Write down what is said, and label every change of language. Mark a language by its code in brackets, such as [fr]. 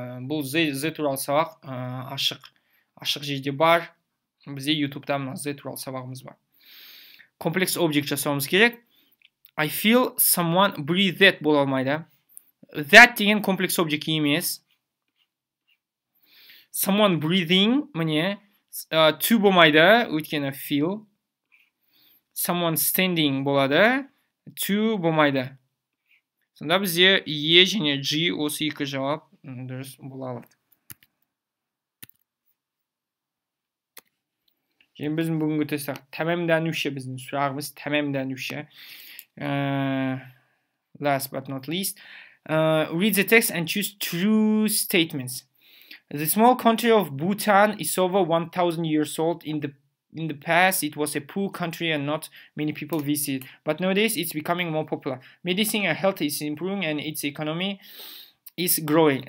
[kk] Бұл Z туралы сабақ ашық жерде бар. Бізде YouTube-та мұна Z туралы сабағымыз бар. Комплекс объект жасауымыз керек. [en] I feel someone breathe that [kk] бола алмайды. That деген комплекс объект емес. [en] Someone breathing, [kk] мене, to болмайды, өйткені feel. [en] Someone standing [kk] болады, to болмайды. Сонда бізде E және G осы екі жауап дұрыс болады. Және біздің бүгінгі тесті, тәмәмдәнуші біздің сұрағымыз, тәмәмдәнуші. [en] Last but not least. Read the text and choose true statements. The small country of Bhutan is over 1,000 years old. In the past, it was a poor country and not many people visited. But nowadays, it's becoming more popular. Medicine and health is improving and its economy is growing.